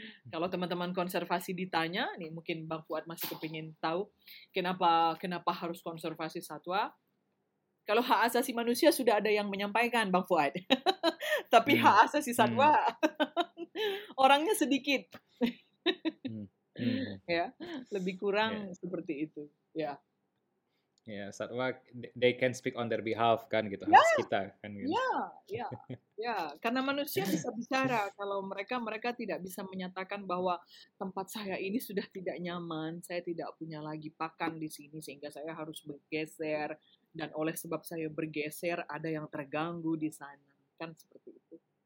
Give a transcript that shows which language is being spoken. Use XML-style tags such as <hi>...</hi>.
<id>Kalau teman-teman konservasi ditanya, nih mungkin Bang Fuad masih kepingin tahu kenapa harus konservasi satwa. Kalau hak asasi manusia sudah ada yang menyampaikan, Bang Fuad. Tapi hak asasi satwa, orangnya sedikit. Ya, lebih kurang seperti itu. Ya. Ya, satwa,</id> <en>they can speak on their behalf,</en> <id>kan, gitu. Yeah. Harus kita, kan. Ya, ya, ya. Karena manusia bisa bicara. Kalau mereka tidak bisa menyatakan bahwa tempat saya ini sudah tidak nyaman, saya tidak punya lagi pakan di sini, sehingga saya harus bergeser. Dan oleh sebab saya bergeser, ada yang terganggu di sana. Kan seperti itu.</id>